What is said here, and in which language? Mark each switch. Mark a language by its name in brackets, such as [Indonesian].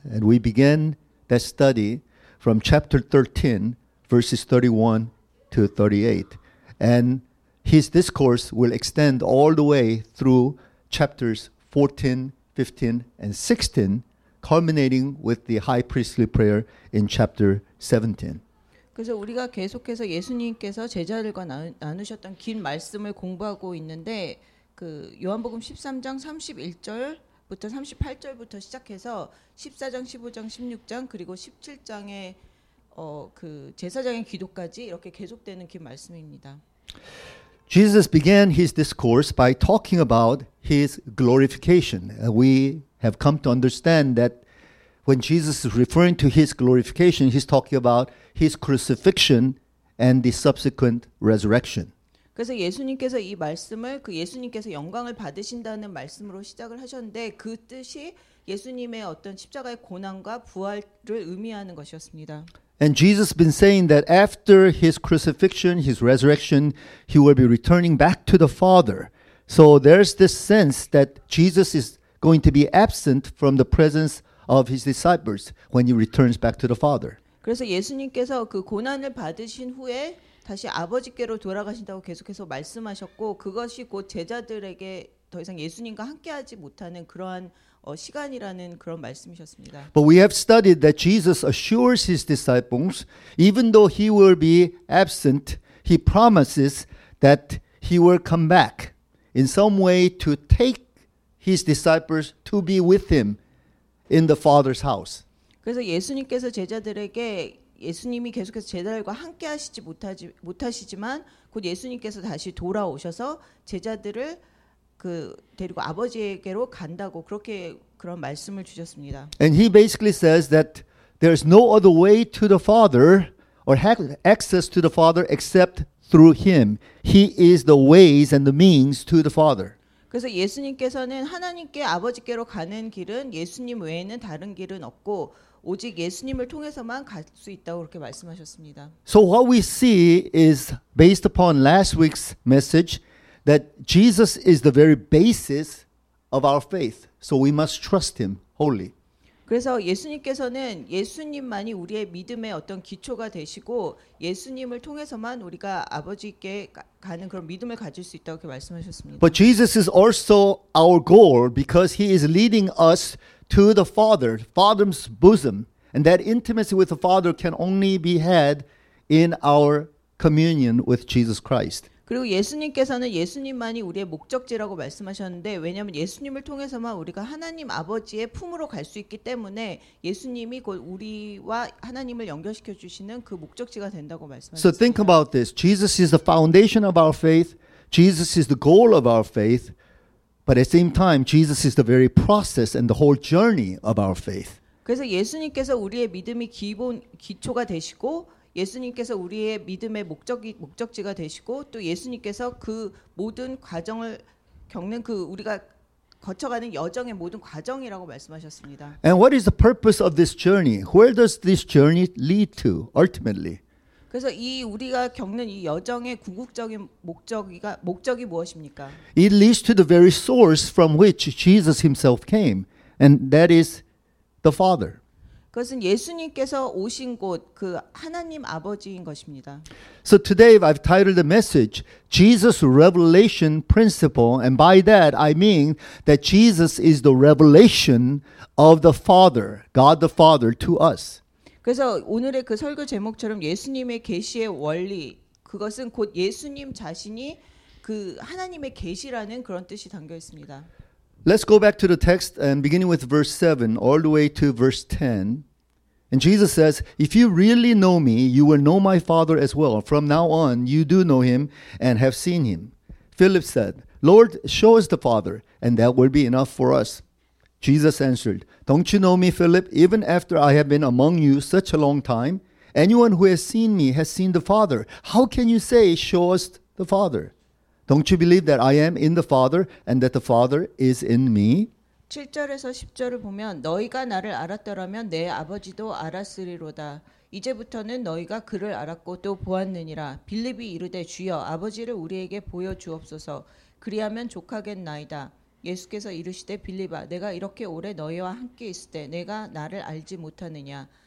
[English] And we begin that study from chapter 13, verses 31 to 38. And his discourse will extend all the way through chapters 14, 15, and 16, culminating with the high priestly prayer in chapter 17. [Korean] 그래서 우리가 계속해서 예수님께서 제자들과 나누셨던 긴 말씀을 공부하고 있는데 그 요한복음 13장 31절부터 38절부터 시작해서 14장, 15장, 16장 그리고 17장의 그 제사장의 기도까지 이렇게 계속되는 긴 말씀입니다. [English] Jesus began his discourse by talking about his glorification. We have come to understand that when Jesus is referring to his glorification, he's talking about his crucifixion and the subsequent resurrection. [Korean] 그래서 예수님께서 이 말씀을 그 예수님께서 영광을 받으신다는 말씀으로 시작을 하셨는데 그 뜻이 예수님의 어떤 십자가의 고난과 부활을 의미하는 것이었습니다. [English] And Jesus has been saying that after his crucifixion, his resurrection, he will be returning back to the Father. So there's this sense that Jesus is going to be absent from the presence of his disciples when he returns back to the Father. [Korean] 그래서 예수님께서 그 고난을 받으신 후에 다시 아버지께로 돌아가신다고 계속해서 말씀하셨고 그것이 곧 제자들에게 더 이상 예수님과 함께하지 못하는 그러한 시간이라는 그런 말씀이셨습니다. [English] But we have studied that Jesus assures his disciples, even though he will be absent, he promises that he will come back in some way to take his disciples to be with him in the Father's house. [Korean] 그래서 예수님께서 제자들에게 예수님이 계속해서 제자들과 함께 하시지 못하시지만 곧 예수님께서 다시 돌아오셔서 제자들을 그 데리고 아버지에게로 간다고 그렇게 그런 말씀을 주셨습니다. [English] And he basically says that there's no other way to the Father or access to the Father except through him. He is the ways and the means to the Father. [Korean] 그래서 예수님께서는 하나님께 아버지께로 가는 길은 예수님 외에는 다른 길은 없고 오직 예수님을 통해서만 갈 수 있다고 그렇게 말씀하셨습니다. [English] So what we see is based upon last week's message that Jesus is the very basis of our faith. So we must trust him wholly. [Korean] 그래서 예수님께서는 예수님만이 우리의 믿음의 어떤 기초가 되시고 예수님을 통해서만 우리가 아버지께 가는 그런 믿음을 가질 수 있다고 말씀하셨습니다. [English] But Jesus is also our goal because he is leading us to the Father, Father's bosom. And that intimacy with the Father can only be had in our communion with Jesus Christ. [Korean] 그리고 예수님께서는 예수님만이 우리의 목적지라고 말씀하셨는데 왜냐하면 예수님을 통해서만 우리가 하나님 아버지의 품으로 갈 수 있기 때문에 예수님이 곧 우리와 하나님을 연결시켜 주시는 그 목적지가 된다고 말씀하셨습니다. [English] So think about this. Jesus is the foundation of our faith. Jesus is the goal of our faith. But at the same time, Jesus is the very process and the whole journey of our faith. [Korean] 그래서 예수님께서 우리의 믿음이 기초가 되시고 예수님께서 우리의 믿음의 목적지가 되시고 또 예수님께서 그 모든 과정을 겪는 그 우리가 거쳐가는 여정의 모든 과정이라고 말씀하셨습니다. [English] And what is the purpose of this journey? Where does this journey lead to ultimately? [Korean] 그래서 이 우리가 겪는 이 여정의 궁극적인 목적이 무엇입니까? [English] It leads to the very source from which Jesus himself came, and that is the Father. [Korean] 그것은 예수님께서 오신 곳, 그 하나님 아버지인 것입니다. [English] So today I've titled the message Jesus Revelation Principle, and by that I mean that Jesus is the revelation of the Father, God the Father to us. [Korean] 그래서 오늘의 그 설교 제목처럼 예수님의 계시의 원리, 그것은 곧 예수님 자신이 그 하나님의 계시라는 그런 뜻이 담겨 있습니다. [English] Let's go back to the text and beginning with verse 7 all the way to verse 10. And Jesus says, if you really know me, you will know my Father as well. From now on, you do know him and have seen him. Philip said, Lord, show us the Father and that will be enough for us. Jesus answered, don't you know me, Philip? Even after I have been among you such a long time, anyone who has seen me has seen the Father. How can you say, show us the Father? Don't you believe that I am in the Father and that the Father is in me? [Korean] 7절에서 10절을 보면 너희가 나를 알았더라면 내 아버지도 알았으리로다. 이제부터는 너희가 그를 알았고 또 보았느니라. 빌립이 이르되 주여 아버지를 우리에게 보여 주옵소서. 그리하면 족하겠나이다. 예수께서 이르시되 빌립아 내가 이렇게 오래 너희와 함께 있을 때 내가 나를 알지 못하느냐.